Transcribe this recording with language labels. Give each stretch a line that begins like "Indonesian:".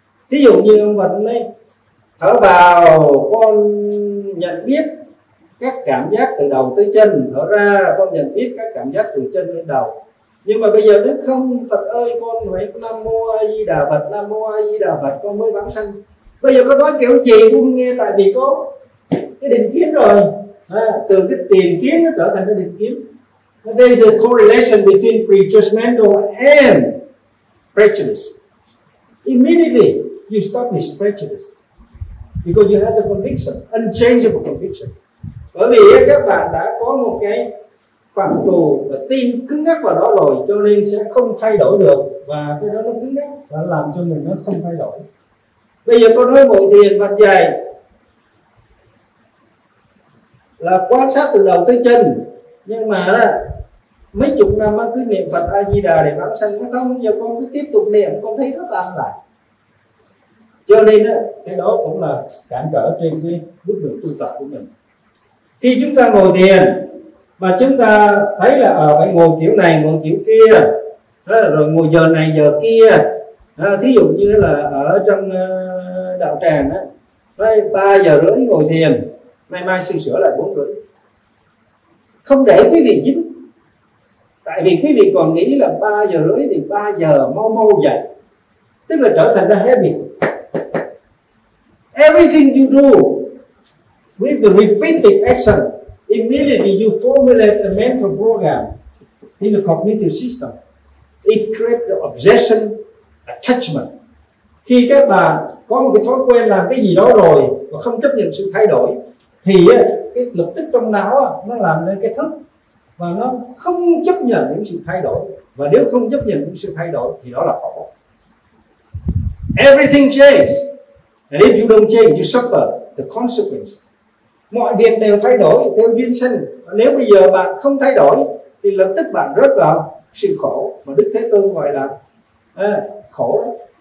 Vietnamese: Thí dụ như ông Vật ấy, thở vào con nhận biết các cảm giác từ đầu tới chân, thở ra con nhận biết các cảm giác từ chân đến đầu. Nhưng mà bây giờ nếu không, Phật ơi, con phải Nam Mô A Di Đà Phật, Nam Mô A Di Đà Phật, con mới vãng sanh. Bây giờ con nói kiểu gì cũng nghe, tại vì có cái định kiến rồi. Từ cái tiền kiến nó trở thành cái định kiến.
English: There is a correlation between prejudgmental and prejudice. Immediately you stop this prejudice because you have the conviction, unchangeable conviction.
Vietnamese: Bởi vì các bạn đã có một cái phạm trù và tin cứng nhắc vào đó rồi, cho nên sẽ không thay đổi được. Và cái đó nó cứng nhắc và làm cho mình nó không thay đổi. Bây giờ con nói ngồi thiền Phật dạy là quan sát từ đầu tới chân, nhưng mà đó, mấy chục năm cứ niệm Phật A Di Đà để vãng sanh, nó không, giờ con cứ tiếp tục niệm, con thấy rất là an lạc. Cho nên đó, cái đó cũng là cản trở trên cái bước đường tu tập của mình. Khi chúng ta ngồi thiền mà chúng ta thấy là phải ngồi kiểu này, ngồi kiểu kia, rồi ngồi giờ này, giờ kia. Thí dụ như là ở trong đạo tràng đó, 3 giờ rưỡi ngồi thiền, nay mai sửa sửa lại 4 rưỡi. Không để quý vị dính. Tại vì quý vị còn nghĩ là 3 giờ rưỡi thì 3 giờ mau mau dậy, tức là trở thành ra habit.
English: Everything you do with the repeated action, immediately you formulate a mental program in the cognitive system. It creates the obsession, attachment.
Vietnamese: Khi các bạn có một cái thói quen làm cái gì đó rồi và không chấp nhận sự thay đổi, thì cái lập tức trong não nó làm nên cái thức và nó không chấp nhận những sự thay đổi. Và nếu không chấp nhận những sự thay đổi thì đó là khổ.
English: Everything changes. And if you don't change, you suffer the consequences.
Vietnamese: Mọi việc đều thay đổi theo duyên sinh. Nếu bây giờ bạn không thay đổi thì lập tức bạn rớt vào sự khổ mà Đức Thế Tôn gọi là khổ.